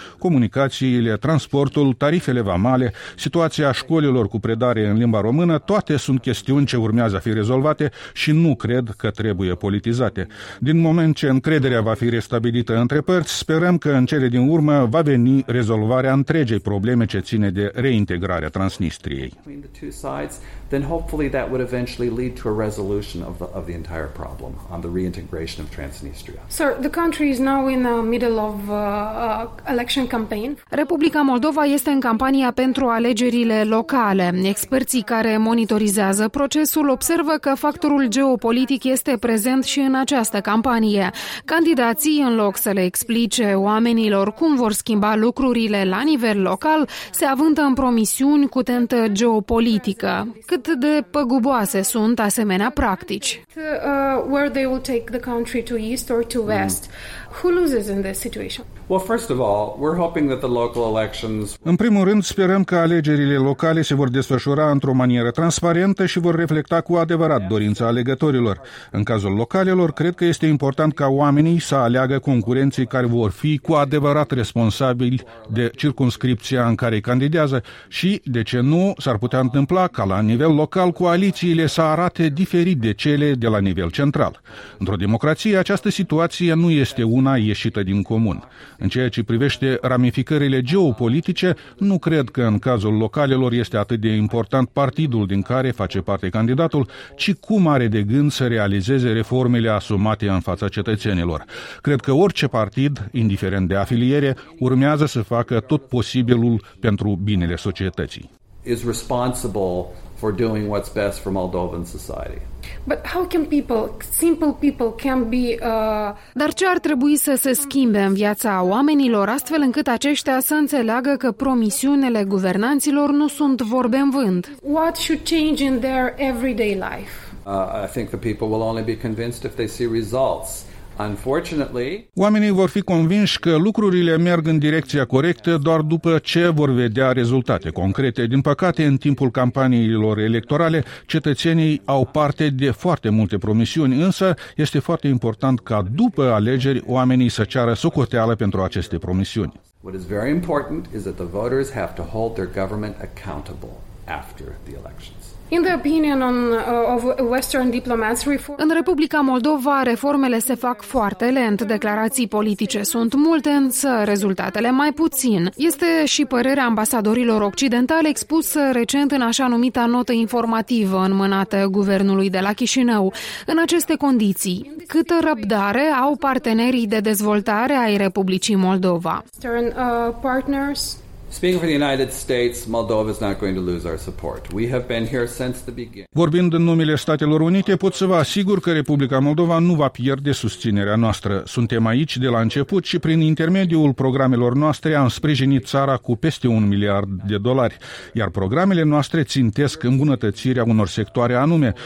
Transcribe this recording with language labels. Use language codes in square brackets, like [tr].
[ro] Comunicațiile, transportul, tarifele vamale, situația școlilor cu predare în limba română, toate sunt chestiuni ce urmează a fi rezolvate și nu cred că trebuie politizate. Din moment ce încrederea va fi restabilită între părți, sperăm că în cele din urmă va veni rezolvarea întregei probleme ce ține de reintegrarea Transnistriei. [en] Then hopefully that would eventually lead to a resolution of the entire problem on the reintegration of Transnistria. Sir, the country is now in the middle of election campaign. [ro] Republica Moldova este în campania pentru alegerile locale. Experții care monitorizează procesul observă că factorul geopolitic este prezent și în această campanie. Candidații, în loc să le explice oamenilor cum vor schimba lucrurile la nivel local, se avântă în promisiuni cu tentă geopolitică. Cât de păguboase sunt asemenea practici. [en] Where they will take the country to east or to west. Who loses in this situation? Well, first of all, we're hoping that the local elections. [ro] În primul rând, sperăm că alegerile locale se vor desfășura într-o manieră transparentă și vor reflecta cu adevărat dorința alegătorilor. În cazul localelor, cred că este important ca oamenii să aleagă concurenții care vor fi cu adevărat responsabili de circumscripția în care candidează și, de ce nu, s-ar putea întâmpla ca la nivel local coalițiile să arate diferit de cele de la nivel central. Într-o democrație, această situație nu este una ieșită din comun. În ceea ce privește ramificările geopolitice, nu cred că în cazul localelor este atât de important partidul din care face parte candidatul, ci cum are de gând să realizeze reformele asumate în fața cetățenilor. Cred că orice partid, indiferent de afiliere, urmează să facă tot posibilul pentru binele societății. [en] Is responsible for doing what's best for Moldovan society. But how can people, simple people, can be [ro] Dar ce ar trebui să se schimbe în viața oamenilor astfel încât aceștia să înțeleagă că promisiunile guvernanților nu sunt vorbe în vânt? [en] What should change in their everyday life? I think the people will only be convinced if they see results. Unfortunately, [ro] oamenii vor fi convinși că lucrurile merg în direcția corectă doar după ce vor vedea rezultate concrete. Din păcate, în timpul campaniilor electorale, cetățenii au parte de foarte multe promisiuni, însă este foarte important ca după alegeri oamenii să ceară socoteală pentru aceste promisiuni. [en] What is very important is that the voters have to hold their government accountable after the election. In the opinion of Western diplomats, [ro] în Republica Moldova, reformele se fac foarte lent, declarații politice sunt multe, însă rezultatele mai puțin. Este și părerea ambasadorilor occidentali expusă recent în așa numită notă informativă înmânată guvernului de la Chișinău. În aceste condiții, câtă răbdare au partenerii de dezvoltare ai Republicii Moldova? [en] Western partners. Speaking for the United States, Moldova is not going to lose our support. We have been here since the beginning. [ro] Vorbind în numele Statelor Unite, pot să vă asigur că Republica Moldova nu va pierde susținerea noastră. Suntem aici de la început și prin intermediul programelor noastre am sprijinit țara cu peste $1 miliard, iar programele noastre țintesc îmbunătățirea unor sectoare anume.